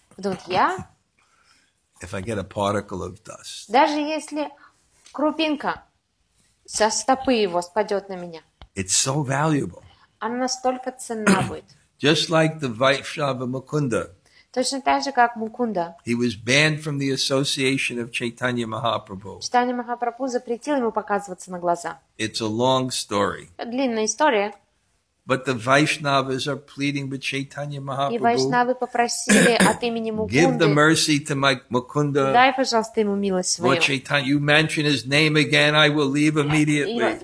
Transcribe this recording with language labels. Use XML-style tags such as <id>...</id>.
<ru>Думает, я?</ru> <en>If I get a particle of dust.</en> <ru>Даже если крупинка со стопы его спадет на меня.</ru> <en>It's so valuable.</en> <ru>Она настолько ценна будет.</ru> <en>Just like the Vaishnava Mukunda.</en> <ru>Точно так же, как Мукунда.</ru> <en>He was banned from the association of Chaitanya Mahaprabhu.</en> <ru>Чайтанья Махапрабху запретил ему показываться на глаза.</ru> <en>It's a long story.</en> <ru>Это длинная история.</ru> <en>But the Vaishnavas are pleading with Chaitanya Mahaprabhu.</en> <ru>И Вайшнавы попросили от имени Мукунды.</ru> <en>Give the mercy to my Mukunda.</en> <ru>Дай, пожалуйста, ему милость свою.</ru> <en>Lord Chaitanya, you mention his name again, I will leave immediately.</en>